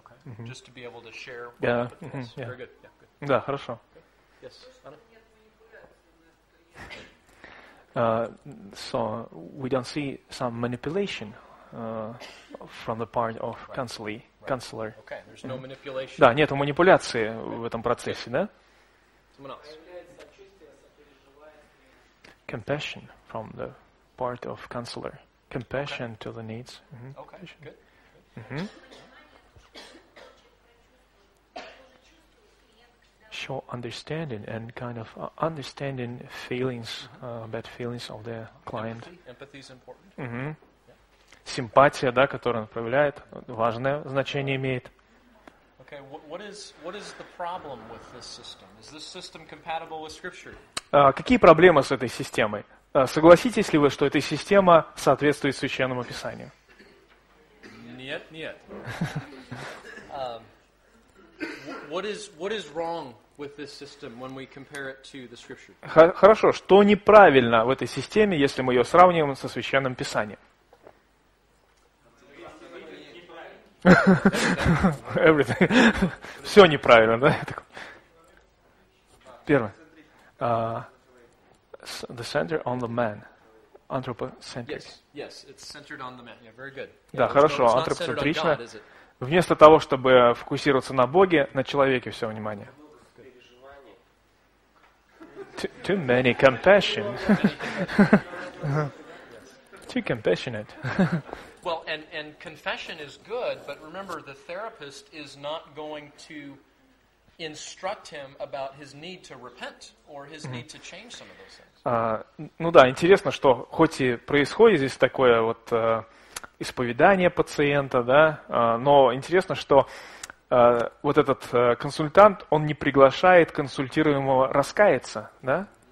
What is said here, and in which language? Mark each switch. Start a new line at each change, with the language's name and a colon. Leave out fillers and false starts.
English: Okay. Mm-hmm. Just to be able to share. Yeah. Mm-hmm. Yeah. Very good.
Russian: Да, хорошо.
English: Yes. So we don't see some manipulation from the part of counselee. Counselor. Okay, there's no manipulation.
Russian: Да, нету манипуляции в этом процессе, да?
English: Someone else. Compassion from the part of counselor. Compassion to the needs. Mm-hmm. Okay, good. Show understanding and kind of understanding feelings, bad feelings of the client. Empathy is important. Mm-hmm.
Russian: Симпатия, да, которую он проявляет, важное значение имеет.
English: Okay, what is the problem with this system? Is this system compatible with scripture?
Russian: Какие проблемы с этой системой? Согласитесь ли вы, что эта система соответствует Священному Писанию? Нет.
English: What is wrong with this system when we compare it to the scripture?
Russian: Хорошо, что неправильно в этой системе, если мы ее сравниваем со Священным Писанием?
English: Everything.
Russian: Все неправильно, да? Первое.
English: The center on the man. Anthropocentric. Yes, it's centered on the man. Yeah, very good.
Russian: Да, хорошо, антропоцентрично. Вместо того, чтобы фокусироваться на Боге, на человеке все внимание.
English: Too many compassion. Too compassionate. Well, and confession is good, but remember, the therapist is not going to instruct him about his need to repent or his need to change some of those things.
Russian: Ну да, интересно, что хоть и происходит здесь такое вот исповедание пациента, да, но интересно, что вот этот консультант, он не приглашает консультируемого раскаяться, да?